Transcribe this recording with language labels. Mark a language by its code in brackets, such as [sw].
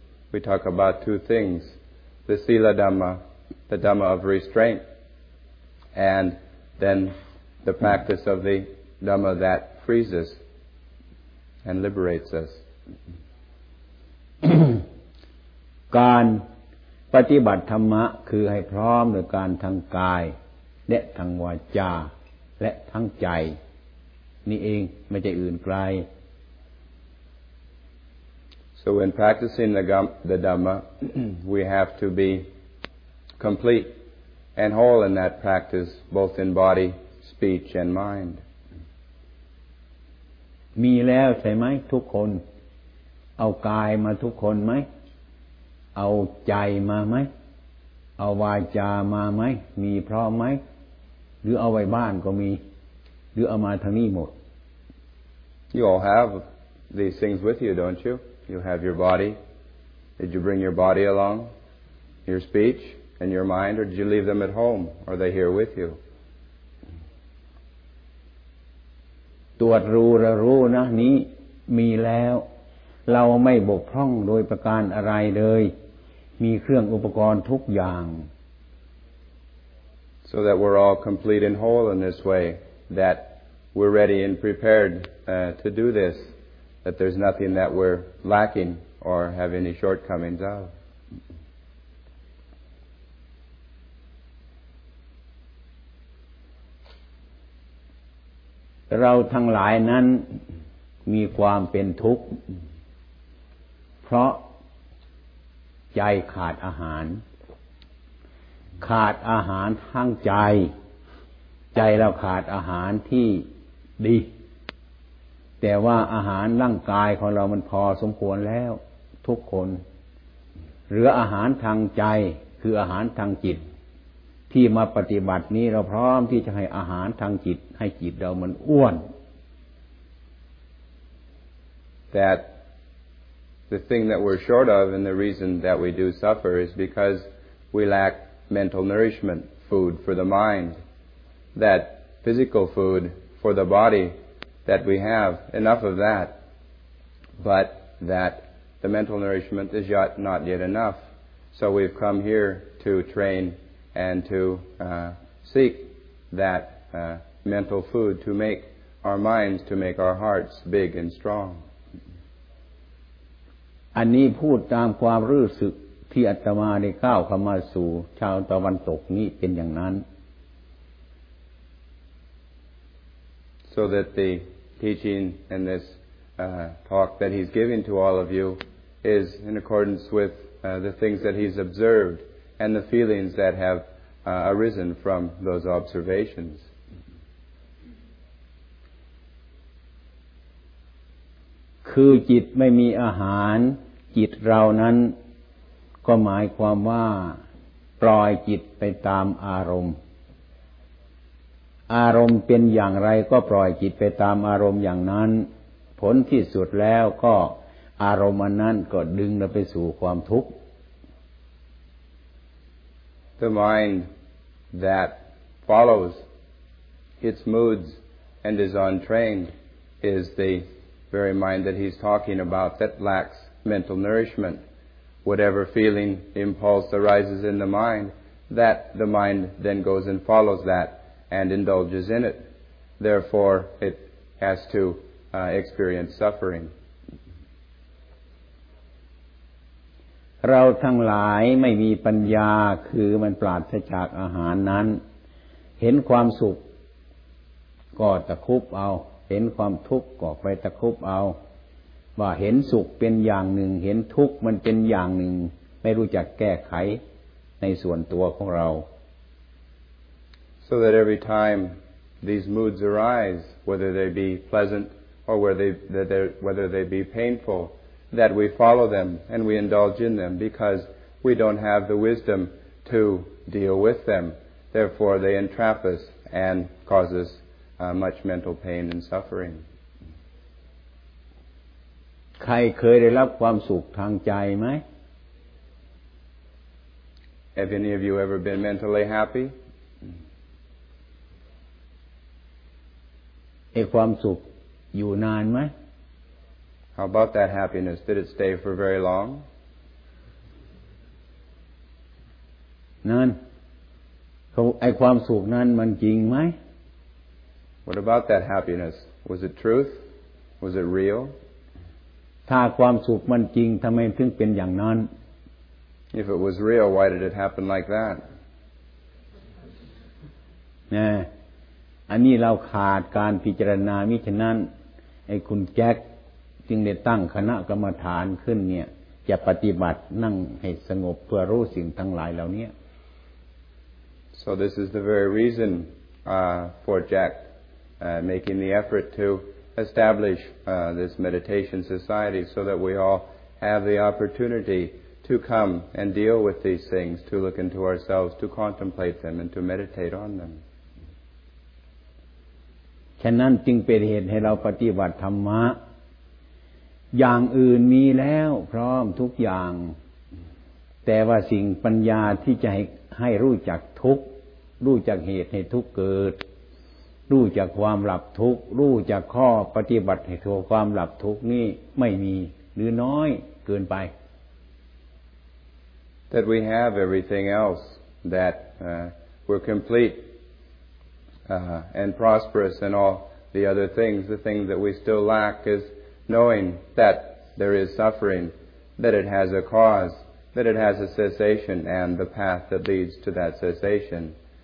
[en] We talk about two things, the Sila Dhamma, the Dhamma of restraint, and then the practice of the Dhamma that frees us and liberates us. [th] การปฏิบัติธรรมะคือให้พร้อมด้วยการทางกายและทางวาจาและทางใจนี่เองไม่ใช่อื่นไกล [en] So when practicing the Dhamma we have to be complete and whole in that practice both in body speech and mind [th] มีแล้วใช่ไหมทุกคนเอากายมาทุกคนไหมเอาใจมาไหมเอาวาจามาไหมมีพร้อมไหมหรือเอาไว้บ้านก็มีหรือเอามาทางนี้หมด [en] You all have these things with you, don't you? You have your body. Did you bring your body along? Your speech and your mind, or did you leave them at home? Are they here with you? [th] ตรวจรู้ระรู้นะนี้มีแล้วเราไม่บกพร่องโดยประการอะไรเลยมีเครื่องอุปกรณ์ทุกอย่าง [en] so that we're all complete and whole in this way that we're ready and prepared to do this that there's nothing that we're lacking or have any shortcomings of [th] เราทั้งหลายนั้นมีความเป็นทุกข์เพราะใจขาดอาหารขาดอาหารทั้งใจใจเราขาดอาหารที่ดี แต่ว่าอาหารร่างกายของเรามันพอสมควรแล้วทุกคนเหลืออาหารทางใจคืออาหารทางจิตที่มาปฏิบัตินี้เราพร้อมที่จะให้อาหารทางจิตให้จิตเรามันอ้วน [en] thatThe thing that we're short of and the reason that we do suffer is because we lack mental nourishment, food for the mind, that physical food for the body that we have, enough of that, but that the mental nourishment is yet not yet enough. So we've come here to train and to seek that mental food to make our minds, to make our hearts big and strong. [th] อันนี้พูดตามความรู้สึกที่อาตมาได้ก้าวเข้ามาสู่ชาวตะวันตกนี้เป็นอย่างนั้น [en] So that the teaching and this talk that he's giving to all of you is in accordance with the things that he's observed and the feelings that have arisen from those observations [th] คือจิตไม่มีอาหารจิตเรานั้นก็หมายความว่าปล่อยจิตไปตามอารมณ์อารมณ์เป็นอย่างไรก็ปล่อยจิตไปตามอารมณ์อย่างนั้นผลที่สุดแล้วก็อารมณ์นั้นก็ดึงเราไปสู่ความทุกข์ [en] The mind that follows its moods and is untrained is the very mind that he's talking about that lacksmental nourishment whatever feeling impulse arises in the mind that the mind then goes and follows that and indulges in it therefore it has to experience suffering [th] เราทั้งหลายไม่มีปัญญาคือมันปราศจากอาหารนั้นเห็นความสุขก็ตะคุบเอาเห็นความทุกข์ก็ไปตะคุบเอาว่าเห็นสุขเป็นอย่างหนึ่งเห็นทุกข์มันเป็นอย่างหนึ่งไม่รู้จักแก้ไขในส่วนตัวของเรา [en] So that every time these moods arise whether they be pleasant or whether they be painful that we follow them and we indulge in them because we don't have the wisdom to deal with them therefore they entrap us and cause us much mental pain and suffering [th] ใครเคยได้รับความสุขทางใจไหม [en] Have any of you ever been mentally happy? [th] ไอ้ความสุขอยู่นานไหม [en] How about that happiness? Did it stay for very long? [th] นั่นไอ้ความสุขนั้นมันจริงไหม [en] What about that happiness? Was it truth? Was it real? [th] ถ้าความสุขมันจริงทำไมถึงเป็นอย่างนั้น [en] If it was real, why did it happen like that? [th] นะอันนี้เราขาดการพิจารณามิฉะนั้นไอ้คุณแจ็คจึงได้ตั้งคณะกรรมฐานขึ้นเนี่ยจะปฏิบัตินั่งให้สงบเพื่อรู้สิ่งทั้งหลายเหล่านี้ [en] So this is the very reason for Jack making the effort to establish this meditation society so that we all have the opportunity to come and deal with these things to look into ourselves to contemplate them and to meditate on them [th] ฉะนั้นจึงเป็นเหตุให้เราปฏิบัติธรรมะอย่างอื่นมีแล้วพร้อมทุกอย่างแต่ว่าสิ่งปัญญาที่จะให้รู้จักทุกข์รู้จักเหตุให้ทุกข์เกิดรู้จักความหลับทุกข์รู้จักข้อปฏิบัติให้ถึงความหลับทุกข์นี่ไม่มีหรือน้อยเกินไป [en] That we have everything else that we're completeand prosperous and all the other things. The thing that we still lack is knowing that there is suffering, that it has a cause, that it has a cessation, and the path that leads to that cessation.